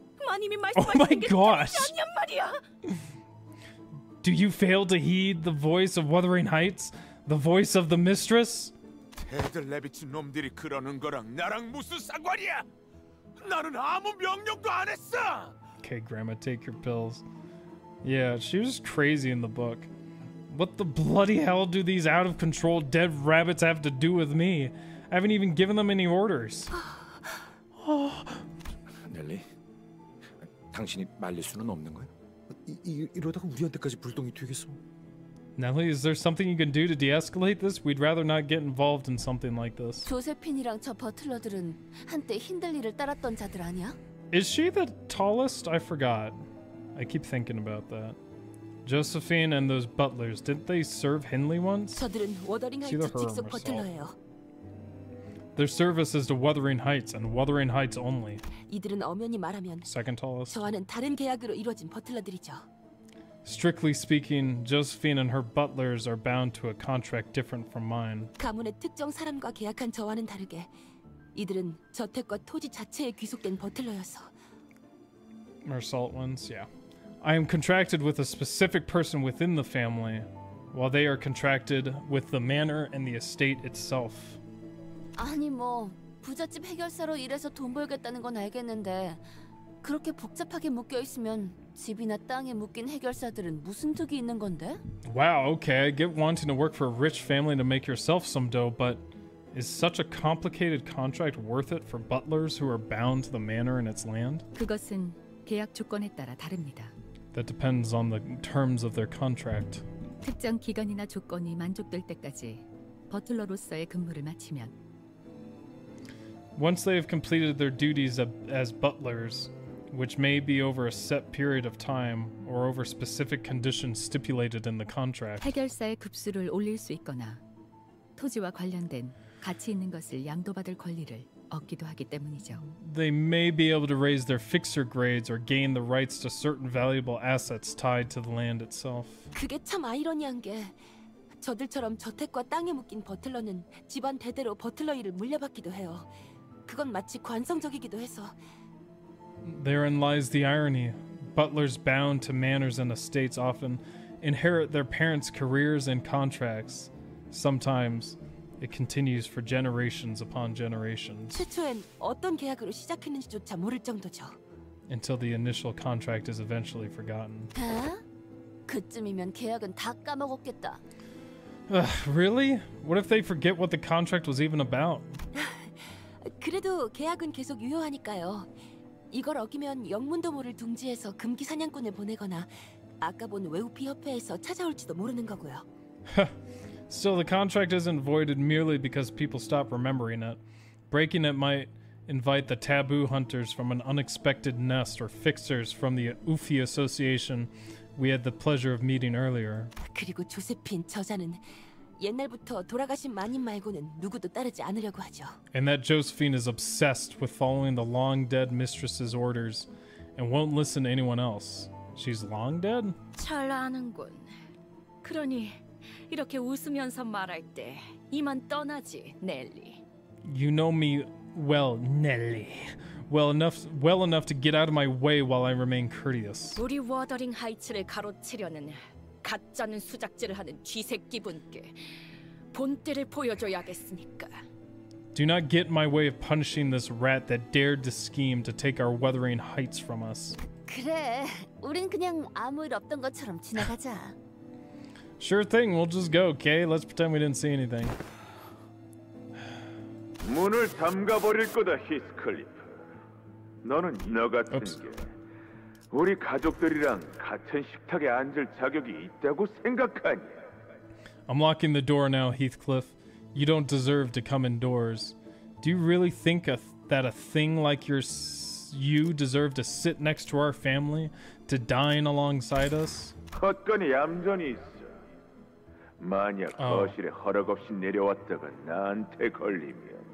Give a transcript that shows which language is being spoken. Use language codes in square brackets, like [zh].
[en] Oh my gosh! Do you fail to heed the voice of Wuthering Heights? The voice of the mistress? [ko] 애들 레비츠 놈들이 그러는 거랑 나랑 무슨 상관이야? 나는 아무 명령도 안 했어! [en] Okay, Grandma, take your pills. Yeah, she was crazy in the book. What the bloody hell do these out-of-control dead rabbits have to do with me? I haven't even given them any orders. Oh. Nelly? [ko] 당신이 말릴 수는 없는 거야? 이러다가 우리한테까지 불똥이 튀겠어. [en] Nelly, is there something you can do to de-escalate this? We'd rather not get involved in something like this. [ko] Josephine이랑 저 버틀러들은 한때 힌들리를 따랐던 자들 아니야? [en] Is she the tallest? I forgot. I keep thinking about that. Josephine and those butlers, didn't they serve Hindley once? [ko] 저들은 워더링 하이츠 직속 버틀러예요. [en] Their service is to Wuthering Heights and Wuthering Heights only. [ko] 이들은 엄연히 말하면 [en] second tallest. [ko] 저와는 다른 계약으로 이루어진 버틀러들이죠. [en] Strictly speaking, Josephine and her butlers are bound to a contract different from mine. [ko] 가문의 특정 사람과 계약한 저와는 다르게 이들은 저택과 토지 자체에 귀속된 버틀러여서. [en] Mersault ones, yeah. I am contracted with a specific person within the family, while they are contracted with the manor and the estate itself. [ko] 아니 뭐 부잣집 해결사로 일해서 돈 벌겠다는 건 알겠는데 그렇게 복잡하게 묶여 있으면 집이나 땅에 묶인 해결사들은 무슨 득이 있는 건데? [en] Wow, okay, I get wanting to work for a rich family to make yourself some dough, but is such a complicated contract worth it for butlers who are bound to the manor and its land? [ko] 그것은 계약 조건에 따라 다릅니다. [en] That depends on the terms of their contract. [ko] 특정 기간이나 조건이 만족될 때까지 버틀러로서의 근무를 마치면 [en] Once they have completed their duties as butlers, which may be over a set period of time or over specific conditions stipulated in the contract. [ko] 해결사의 급수를 올릴 수 있거나 토지와 관련된 가치 있는 것을 양도받을 권리를 얻기도 하기 때문이죠. [en] They may be able to raise their fixer grades or gain the rights to certain valuable assets tied to the land itself. [ko] 그게 참 아이러니한 게 저들처럼 저택과 땅에 묶인 버틀러는 집안 대대로 버틀러 일을 물려받기도 해요. 그건 마치 관성적이기도 해서. [en] Therein lies the irony. Butlers bound to manors and estates often inherit their parents' careers and contracts. Sometimes it continues for generations upon generations. [ko] 최초엔 어떤 계약으로 시작했는지조차 모를 정도죠. [en] until the initial contract is eventually forgotten. [ko] 그쯤이면 계약은 다 까먹었겠다. [en] Really? What if they forget what the contract was even about? [ko] 그래도 계약은 계속 유효하니까요. 이걸 어기면 영문도 모를 둥지에서 금기 사냥꾼을 보내거나 아까 본 외우피 협회에서 찾아올지도 모르는 거고요. [en] Still, the contract isn't voided merely because people stop remembering it. Breaking it might invite the taboo hunters from an unexpected nest or fixers from the Ufi Association we had the pleasure of meeting earlier. [ko] 그리고 조세핀 저자는 옛날부터 돌아가신 마님 말고는 누구도 따르지 않으려고 하죠. [en] And that Josephine is obsessed with following the long-dead mistress's orders and won't listen to anyone else. She's long-dead? [ko] 잘 아는군. 그러니 이렇게 웃으면서 말할 때 이만 떠나지, 넬리. [en] You know me well, Nelly. Well enough to get out of my way while I remain courteous. [ko] 우리 워더링 하이츠를 가로치려는 가짜는 수작질을 하는 쥐새끼분께 본때를 보여줘야겠으니까. [en] Do not get in my way of punishing this rat that dared to scheme to take our Wuthering Heights from us. [ko] 그래, 우린 그냥 아무 일 없던 것처럼 지나가자. [en] Sure thing, we'll just go, okay? Let's pretend we didn't see anything. [ko] 문을 잠가버릴 거다, 히스클리프. 너는 너 같은 게 우리 가족들이랑 같은 식탁에 앉을 자격이 있다고 생각하냐? [en] I'm locking the door now, Heathcliff. You don't deserve to come indoors. Do you really think that a thing like you deserve to sit next to our family, to dine alongside us? [ko] 헛건이 얌전히 있어. 만약 거실에 허락 없이 내려왔다가 나한테 걸리면.